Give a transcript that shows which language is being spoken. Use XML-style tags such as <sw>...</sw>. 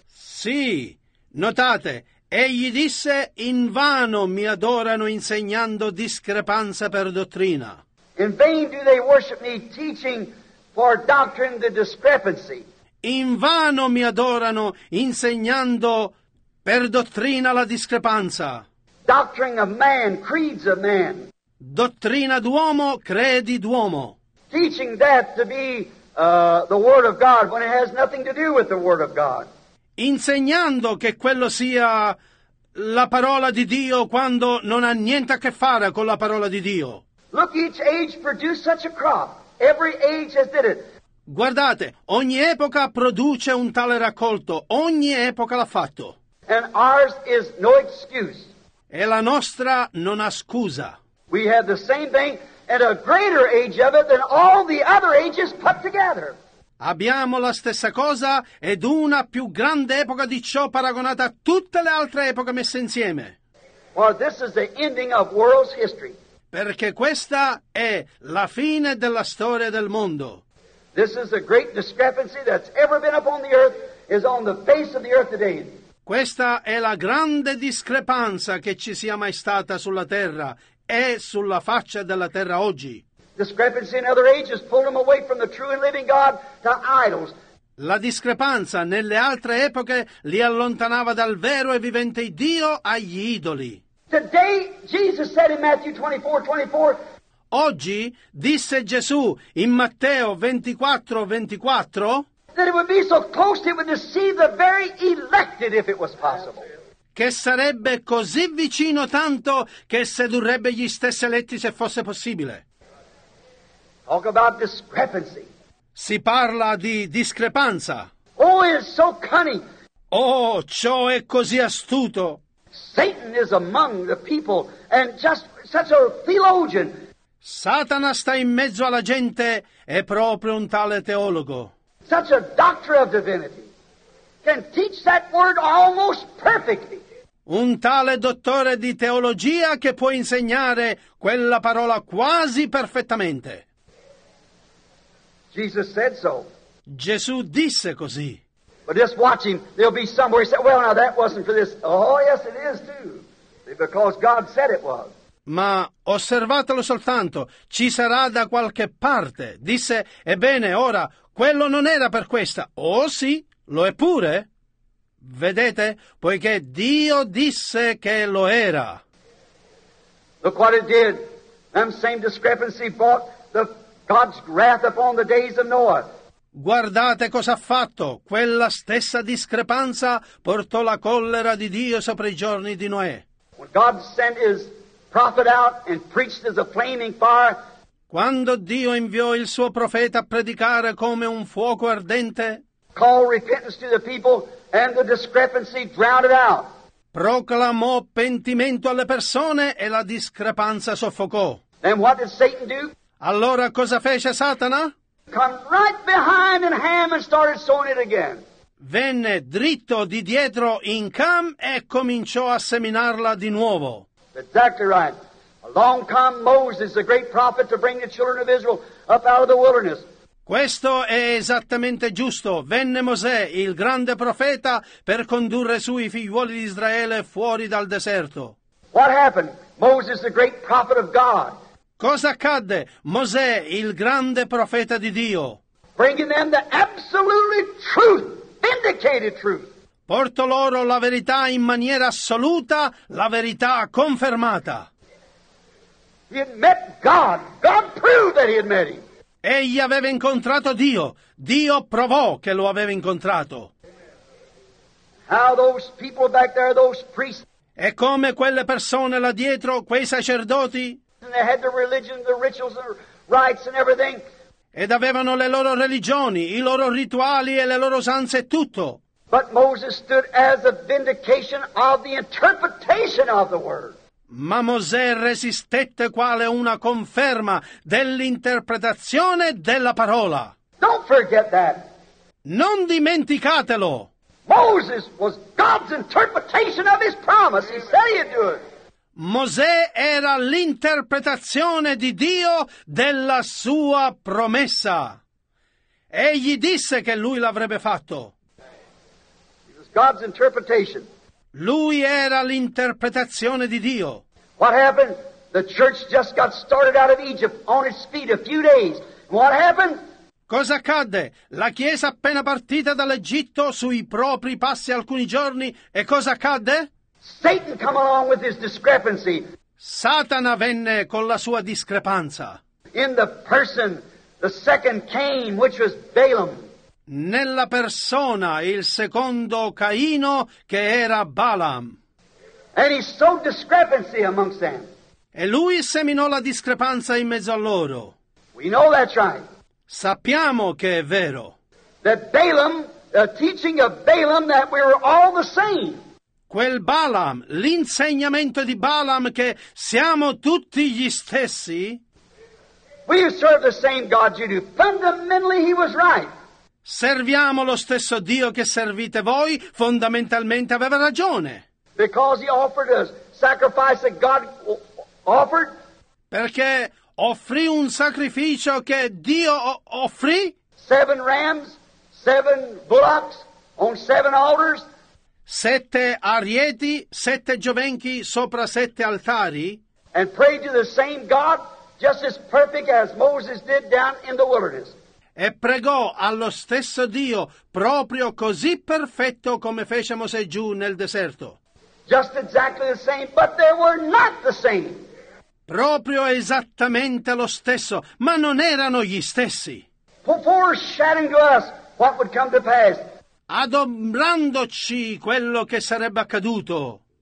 <it>Sì, notate, egli disse, in vano mi adorano insegnando discrepanza per dottrina.</it> <en>In vain do they worship me, teaching for doctrine the discrepancy.</en> <it>In vano mi adorano insegnando per dottrina la discrepanza.</it> <en>Doctrine of man, creeds of man.</en> <it>Dottrina d'uomo, credi d'uomo.</it> <en>Teaching that to be the word of God when it has nothing to do with the word of God.</en> <it>Insegnando che quello sia la parola di Dio quando non ha niente a che fare con la parola di Dio.</it> <en>Look, each age produced such a crop. Every age has did it.</en> <it>Guardate, ogni epoca produce un tale raccolto. Ogni epoca l'ha fatto.</it> <en>And ours is no excuse.</en> <it>E la nostra non ha scusa.</it> <en>We have the same thing at a greater age of it than all the other ages put together.</en> <it>Abbiamo la stessa cosa ed una più grande epoca di ciò paragonata a tutte le altre epoche messe insieme.</it> <en>Well, this is the ending of world's history.</en> <it>Perché questa è la fine della storia del mondo.</it> <en>This is the great discrepancy that's ever been upon the earth is on the face of the earth today.</en> <it>Questa è la grande discrepanza che ci sia mai stata sulla terra e sulla faccia della terra oggi.</it> <en>Discrepancy in other ages pulled them away from the true and living God to idols.</en> <it>La discrepanza nelle altre epoche li allontanava dal vero e vivente Dio agli idoli.</it> <en>Today Jesus said in Matthew 24:24.</en> <it>Oggi disse Gesù in Matteo 24:24.</it> <en>That it would be so close it would deceive the very elected if it was possible.</en> <it>Che sarebbe così vicino tanto che sedurrebbe gli stessi eletti se fosse possibile.</it> <en>Talk about discrepancy.</en> <it>Si parla di discrepanza.</it> <en>Oh, it is so cunning.</en> <it>Oh, ciò è così astuto.</it> <en>Satan is among the people and just such a theologian.</en> <it>Satana sta in mezzo alla gente e proprio un tale teologo.</it> <en>Such a doctor of divinity can teach that word almost perfectly.</en> <it>Un tale dottore di teologia che può insegnare quella parola quasi perfettamente.</it> <en>Jesus said so.</en> <it>Gesù disse così.</it> <en>But just watch him. There'll be some where he said, well, now that wasn't for this. Oh, yes, it is too. Because God said it was.</en> <it>Ma osservatelo soltanto. Ci sarà da qualche parte. Disse, ebbene, ora, quello non era per questa. Oh, sì, lo è pure. Vedete? Poiché Dio disse che lo era.</it> <en>Look what it did. That same discrepancy brought the God's wrath upon the days of Noah.</en> <it>Guardate cosa ha fatto. Quella stessa discrepanza portò la collera di Dio sopra i giorni di Noè.</it> <en>When God sent his prophet out and preached as a flaming fire.</en> <it>Quando Dio inviò il suo profeta a predicare come un fuoco ardente.</it> <en>Call repentance to the people and the discrepancy drowned out.</en> <it>Proclamò pentimento alle persone e la discrepanza soffocò.</it> <en>And what did Satan do?</en> <it>Allora cosa fece Satana?</it> <en>Come right behind in Ham and started sowing it again.</en> <it>Venne dritto di dietro in Cam e cominciò a seminarla di nuovo.</it> <en>Exactly right. Along come Moses, the great prophet, to bring the children of Israel up out of the wilderness.</en> <it>Questo è esattamente giusto. Venne Mosè, il grande profeta, per condurre su i figliuoli di Israele fuori dal deserto.</it> <en>What happened? Moses, the great prophet of God.</en> <it>Cosa accadde? Mosè, il grande profeta di Dio.</it> <en>Bringing them the absolutely truth, vindicated truth.</en> <it>Portò loro la verità in maniera assoluta, la verità confermata.</it> <en>He had met God. God proved that he had met him.</en> <it>Egli aveva incontrato Dio. Dio provò che lo aveva incontrato.</it> <en>How those people back there, those priests.</en> <it>E come quelle persone là dietro, quei sacerdoti,</it> <en>and they had the religion, the rituals, the rites and everything.</en> <it>Ed avevano le loro religioni, i loro rituali e le loro usanze e tutto.</it> <en>But Moses stood as a vindication of the interpretation of the word.</en> <it>Ma Mosè resistette quale una conferma dell'interpretazione della parola.</it> <en>Don't forget that.</en> <it>Non dimenticatelo.</it> <en>Moses was God's interpretation of his promise. He said he'd do it.</en> <it>Mosè era l'interpretazione di Dio della sua promessa. Egli disse che lui l'avrebbe fatto.</it> <en>It was God's interpretation.</en> <it>Lui era l'interpretazione di Dio.</it> <en>What happened? The church just got started out of Egypt on its feet a few days. What happened?</en> <it>Cosa accadde? La Chiesa appena partita dall'Egitto sui propri passi alcuni giorni, e cosa accadde?</it> <en>Satan came along with his discrepancy.</en> <it>Satana venne con la sua discrepanza.</it> <en>In the person, the second Cain, which was Balaam.</en> <it>Nella persona, il secondo Caino, che era Balaam.</it> <en>And he sowed discrepancy amongst them.</en> <it>E lui seminò la discrepanza in mezzo a loro.</it> <en>We know that's right.</en> <it>Sappiamo che è vero.</it> <en>That Balaam, the teaching of Balaam, that we were all the same.</en> <it>Quel Balaam, l'insegnamento di Balaam che siamo tutti gli stessi.</it> <en>We serve the same God you do. Fundamentally, he was right.</en> <it>Serviamo lo stesso Dio che servite voi. Fondamentalmente aveva ragione.</it> <en>Because he offered a sacrifice that God offered.</en> <it>Perché offrì un sacrificio che Dio offrì.</it> <en>Seven rams, seven bullocks on seven altars.</en> <it>Sette arieti, sette giovenchi sopra sette altari.</it> <en>And prayed to the same God, just as perfect as Moses did down in the wilderness.</en> <it>E pregò allo stesso Dio, proprio così perfetto come fece Mosè giù nel deserto.</it> <en>Just exactly the same, but they were not the same.</en> <it>Proprio esattamente lo stesso, ma non erano gli stessi.</it> <en>Foreshadowing to us what would come to pass.</en> <it>Adombrandoci quello che sarebbe accaduto.</it>